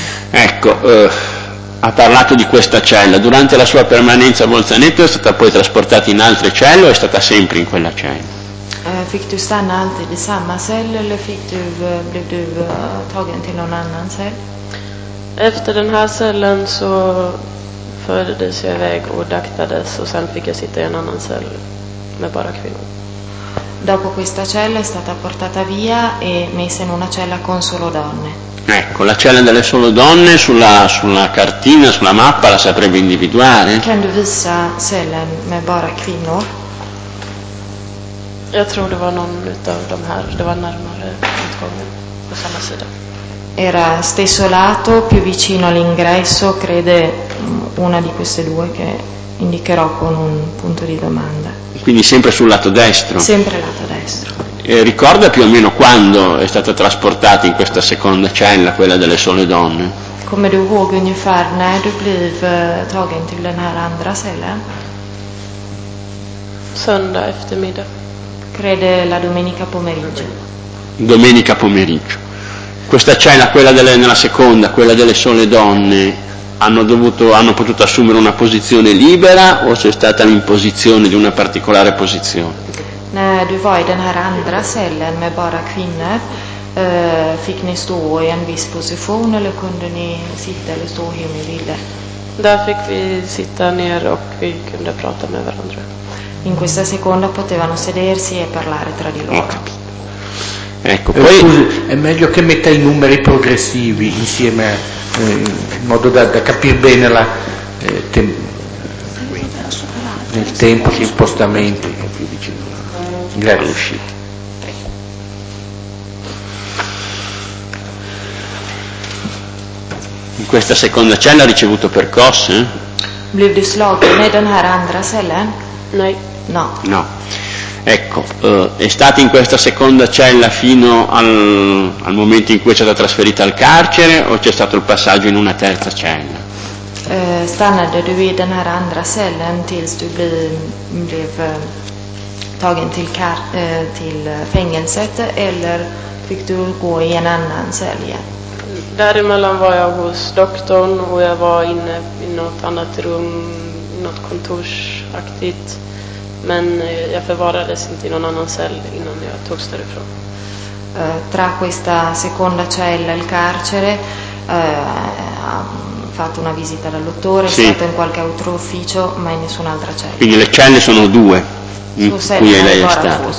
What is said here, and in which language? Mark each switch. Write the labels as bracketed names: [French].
[Italian] Ecco, ha parlato di questa cella. Durante la sua permanenza a Bolzaneto è stata poi trasportata in altre celle o è stata sempre in quella cella? [Swedish] Fick du stanna alltid i samma cell eller fick du, blev du tagen till någon annan cell? Efter den här cellen så fördes jag iväg och daktades och sen fick jag sitta i en annan cell med bara kvinnor. [Italian] Dopo questa cella è stata portata via e messa in una cella con solo donne. Ecco, la cella delle solo donne sulla cartina, sulla mappa la saprebbe individuare? [Swedish] Kan du visa cellen med bara kvinnor? Jag tror det var någon utav de här, det var närmare utgången på samma sida. [Italian] Era stesso lato, più vicino all'ingresso, crede una di queste due che indicherò con un punto di domanda. Quindi sempre sul lato destro? Sempre lato destro. E ricorda più o meno quando è stata trasportata in questa seconda cella, quella delle sole donne? [Swedish] Come du ihåg ungefär när du blev tagen till den här andra cellen? Söndag eftermiddag. [Italian] Crede la domenica pomeriggio. Domenica pomeriggio. Questa cella, quella nella seconda, quella delle sole donne, hanno potuto assumere una posizione libera o c'è stata l'imposizione di una particolare posizione? [Swedish] När du var i den här andra cellen med bara kvinnor, fick ni stå i en viss position eller kunde ni sitta eller stå hur ni ville? Där fick vi sitta ner och vi kunde prata med varandra. [Italian] In questa seconda potevano sedersi e parlare tra di loro. Okay. Ecco, poi scusi, è meglio che metta i numeri progressivi insieme in modo da capire bene nel tempo gli spostamenti più vicino. Grazie. Uscite. In questa seconda cella ha ricevuto percosse? [Swedish] Blev du slagen i den här andra cellen? Nej. [Italian] No. No. Ecco, è stata in questa seconda cella fino al momento in cui è stata trasferita al carcere o c'è stato il passaggio in una terza cella? [Swedish] Stannade du i den här andra cellen tills du blev tagen till fängelset eller fick du gå i en annan cell igen? Däremellan var jag hos doktorn och jag var inne i något annat rum, något kontorsaktigt. Men jag förvarades inte i någon annan cell innan jag togs därifrån. [Italian] Tra questa seconda cella il carcere ha fatto una visita dal dottore, sì. È stato in qualche altro ufficio, ma in nessun'altra cella. Quindi le celle sono due. Su cui lei è stata.